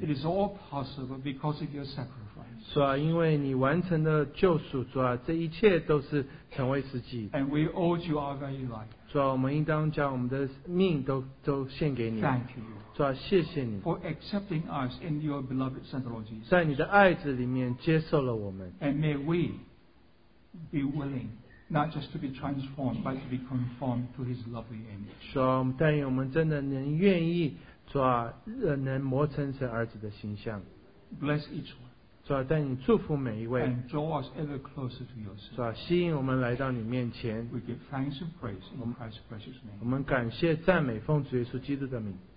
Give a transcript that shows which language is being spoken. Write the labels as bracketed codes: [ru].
[en] It is all possible because of your sacrifice. [zh] 主啊，因为你完成了救赎, 主啊，这一切都是成为实际. [en] And we owe you our very life. [zh] 主啊，我们应当将我们的命都献给你. [en] Thank you. [zh] 主啊，谢谢你. [en] For accepting us in your beloved Son, Lord Jesus. [zh] 在你的爱子里面接受了我们. [en] And may we be willing not just to be transformed, but to be conformed to His lovely image. [zh] 主啊，但愿我们真的能愿意，主啊，能磨成神儿子的形象。 [en] Bless each one. [zh] 主啊，但你祝福每一位。 [en] And draw us ever closer to yourself. [zh] 主啊，吸引我们来到你面前。 [en] We give thanks and praise in Christ's precious name. [zh] 我们感谢赞美奉主耶稣基督的名。